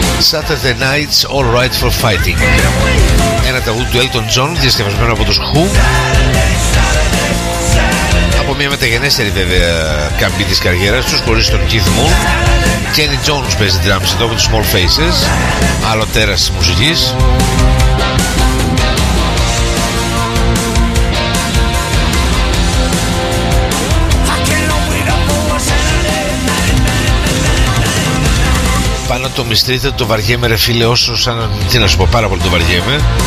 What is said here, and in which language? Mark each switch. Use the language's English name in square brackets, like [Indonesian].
[English] Saturday nights, all right for fighting. [Greek] Ένα τραγούδι του Elton John, διασκευασμένο από τους Who. Από μια μεταγενέστερη βέβαια καμπή της καριέρας τους, χωρίς τον Keith Moon. Kenny Jones παίζει drums εδώ από τους Small Faces. Άλλο τέρας της μουσικής. Πάνω το μυστρίτε, το βαριέμαι ρε φίλε, όσο σαν τι να σου πω, πάρα πολύ το βαριέμαι.